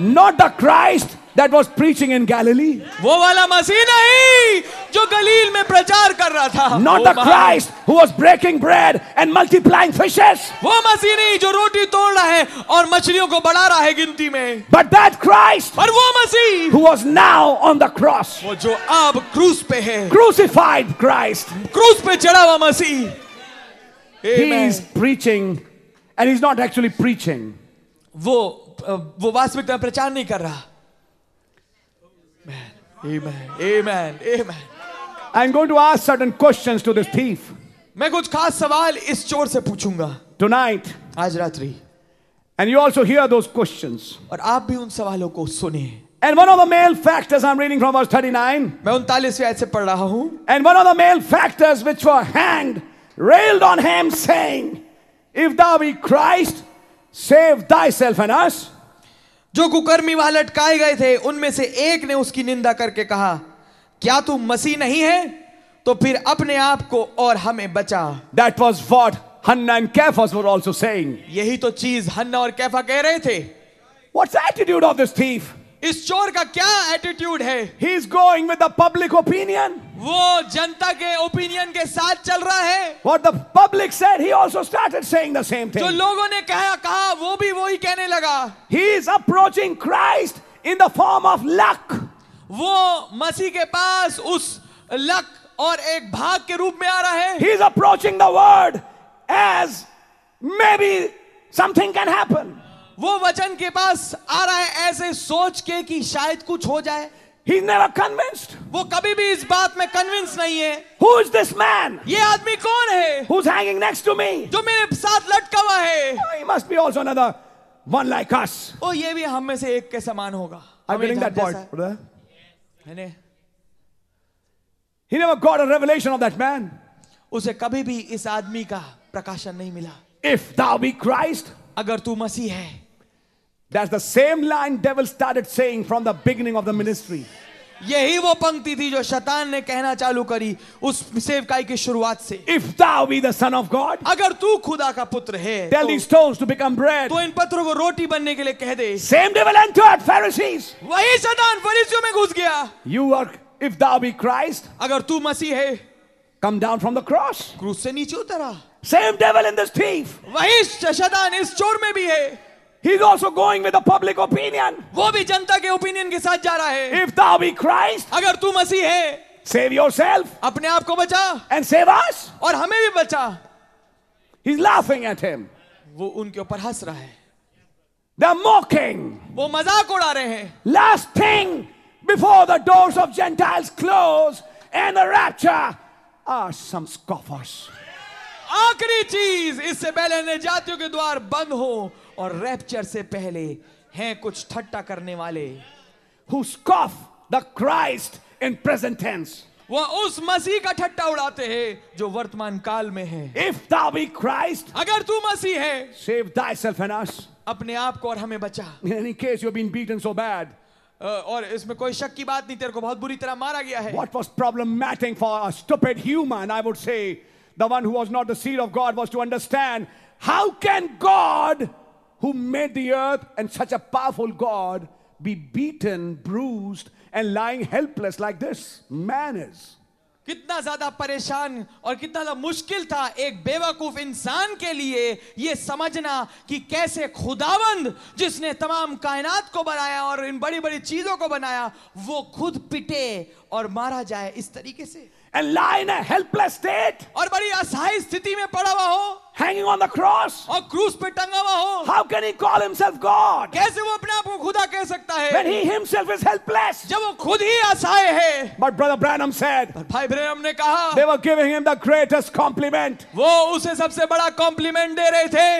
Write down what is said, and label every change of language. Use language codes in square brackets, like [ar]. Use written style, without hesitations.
[en] Not the Christ that was preaching in Galilee. [hi] वो वाला मसीह नहीं जो गलील में प्रचार कर रहा था. [en] Not the Christ who was breaking bread and multiplying fishes. [hi] वो मसीह नहीं जो रोटी तोड़ रहा है और मछलियों को बढ़ा रहा है गिनती में. [en] But that Christ. [hi] पर वो मसीह. [en] Who was now on the cross. [hi] वो जो अब क्रूस पे है. [en] Crucified Christ. [hi] क्रूस पे चढ़ा हुआ मसीह. [en] He is preaching and he's not actually preaching. [hi] वो वास्तविकता में प्रचार नहीं कर रहा. [en] Amen. Amen. Amen. I'm going to ask certain questions to this thief. [hi] मैं कुछ खास सवाल इस चोर से पूछूंगा. [en] Tonight. [hi] आज रात्रि. [en] And you also hear those questions. [hi] और आप भी उन सवालों को सुने. [en] And one of the male factors I'm reading from verse 39. [hi] मैं 39वें आयत से पढ़ रहा हूँ. [en] And one of the male factors which were hanged railed on him saying, If thou be Christ, save thyself and us. [hi] जो कुकर्मी वहां लटकाए गए थे उनमें से एक ने उसकी निंदा करके कहा, क्या तू मसीह नहीं है? तो फिर अपने आप को और हमें बचा. [en] That was what Hannah and Caiaphas were also saying. [hi] यही तो चीज हन्ना और कैफा कह रहे थे. [en] What's the attitude of this thief? [hi] इस चोर का क्या एटीट्यूड है? [en] He is going with the public opinion. [hi] वो जनता के ओपिनियन के साथ चल रहा है. [en] What the public said, he also started saying the same thing. [hi] जो लोगों ने कहा वो भी वही कहने लगा. [en] He is approaching Christ in the form of luck. [hi] वो मसीह के पास उस लक और एक भाग के रूप में आ रहा है. [en] He is approaching the word as maybe something can happen. [hi] वो वचन के पास आ रहा है ऐसे सोच के कि शायद कुछ हो जाए. [en] He's never convinced. [hi] वो कभी भी इस बात में convinced नहीं है. [en] Who is this man? [hi] ये आदमी कौन है? [en] Who's hanging next to me? [hi] जो मेरे साथ लटका हुआ है. [en] Oh, he must be also another one like us. [hi] ओ, ये भी हम में से एक के समान होगा. [en] Are you getting that point, brother? He never got a revelation of that man. [hi] उसे कभी भी इस आदमी का प्रकाशन नहीं मिला. [en] If thou be Christ. [hi] अगर तू मसीह है. [en] That's the same line devil started saying from the beginning of the ministry. [hi] यही वो पंक्ति थी जो शैतान ने कहना चालू करी उस सेवकाई की शुरुआत से. [en] If thou be the son of God. [hi] अगर तू खुदा का पुत्र है. [en] Tell these stones to become bread. [hi] तो इन पत्थरों को रोटी बनने के लिए कह दे. [en] Same devil entered Pharisees. [hi] वही शैतान फरीसियों में घुस गया. [en] You are if thou be Christ. [hi] अगर तू मसीह है. [en] Come down from the cross. [hi] क्रूस से नीचे उतरा. [en] Same devil in this thief. [hi] वही शैतान इस चोर में भी है. [en] He's also going with the public opinion. [hi] वो भी जनता के ओपिनियन के साथ जा रहा है. [en] If thou be Christ, [hi] अगर तू मसीह है, [en] Save yourself. [hi] अपने आप को बचा. [en] And save us. [hi] और हमें भी बचा. [en] He's laughing at him. [hi] वो उनके ऊपर हंस रहा है. [en] They're mocking. [hi] वो मजाक उड़ा रहे हैं. [en] Last thing before the doors of Gentiles close and the rapture are some scoffers. [hi] आखिरी चीज इससे पहले निजातियों के द्वार बंद हो और रैप्चर से पहले हैं कुछ ठट्टा करने वाले. [en] Who scoff the Christ in present tense. [hi] वो उस मसीह का ठट्टा उड़ाते हैं जो वर्तमान काल में है. [en] If thou be Christ, [hi] अगर तू मसीह है, [en] save thyself and us. [hi] अपने आप को और हमें बचा. [en] In any case, you've been beaten so bad. [hi] और इसमें कोई शक की बात नहीं, तेरे को बहुत बुरी तरह मारा गया है. [en] What was problematic for a stupid human, I would say, the one who was not the seed of God, was to understand how can God, who made the earth and such a powerful God, be beaten, bruised, and lying helpless like this man is. [hi] कितना ज्यादा परेशान और कितना ज्यादा मुश्किल था एक बेवकूफ इंसान के लिए यह समझना कि कैसे खुदावंद, जिसने तमाम कायनात को बनाया और इन बड़ी बड़ी चीजों को बनाया, वो खुद पिटे और मारा जाए इस तरीके से. [en] And lie in a helpless state. [hi] और बड़ी असहाय स्थिति में पड़ा हुआ हो. [en] Hanging on the cross. [hi] और क्रूस पे टंगा हुआ हो. [en] How can he call himself God? [hi] कैसे वो अपने आप को खुदा कह सकता है? [en] When he himself is helpless. [hi] जब वो खुद ही असहाय है. [en] But Brother Branham said. [hi] भाई ब्रैनम ने कहा. [en] They were giving him the greatest compliment. [hi] वो उसे सबसे बड़ा compliment दे रहे थे.